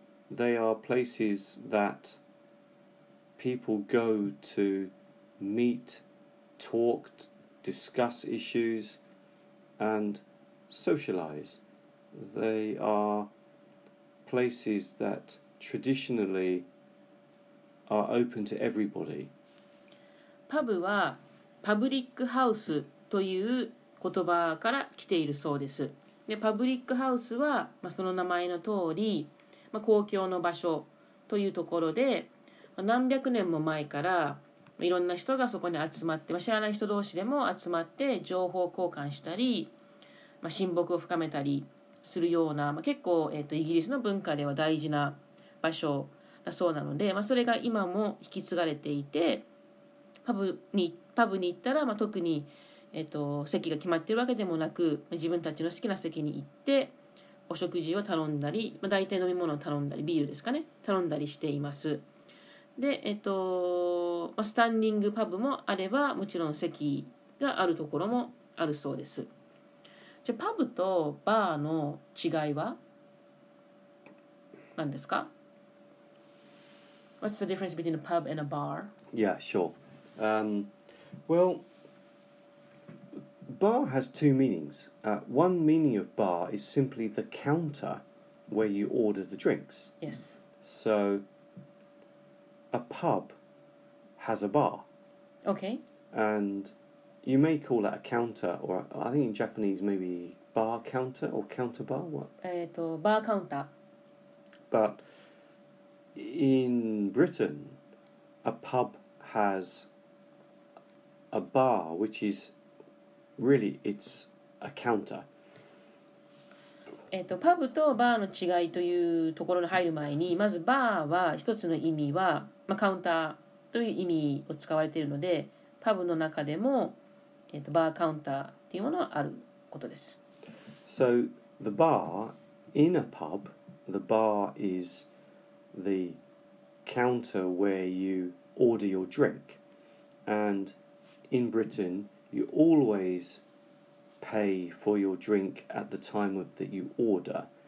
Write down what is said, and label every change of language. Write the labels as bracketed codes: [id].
[en] they are places that people go to meet, talk, discuss issues, and socialise. They are places that traditionally are open to everybody. [ja] パブはパブリックハウスという言葉から来ているそうです。で、パブリックハウスは、まあ、その名前の通り、まあ、公共の場所というところで、まあ、何百年も前からいろんな人がそこに集まって、まあ、知らない人同士でも集まって情報交換したり、まあ、親睦を深めたりするような、まあ、結構、イギリスの文化では大事な場所だそうなので、まあ、それが今も引き継がれていて、パブに行ったら、まあ、特に、席が決まっているわけでもなく、自分たちの好きな席に行ってお食事を頼んだり、まあ、大体飲み物を頼んだり、ビールですかね、頼んだりしています。で、スタンディングパブもあれば、もちろん席があるところもあるそうです。じゃあパブとバーの違いは何ですか？ [en] What's the difference between a pub and a bar? Yeah, sure. Well, bar has two meanings. One meaning of bar is simply the counter where you order the drinks. Yes. So a pub has a bar. Okay. And you may call that a counter, or I think in Japanese maybe bar counter or counter bar, what? Bar counter. But in Britain, a pub has a bar, which is really, it's a counter. [ja] パブとバーの違いというところに入る前に、まずバーは一つの意味は、まあ、カウンターという意味を使われているので、パブの中でも、バーカウンターというものはあることです。 [en] So, the bar in a pub, the bar is the counter where you order your drink. And in Britain, you always pay for your drink at the time that you order.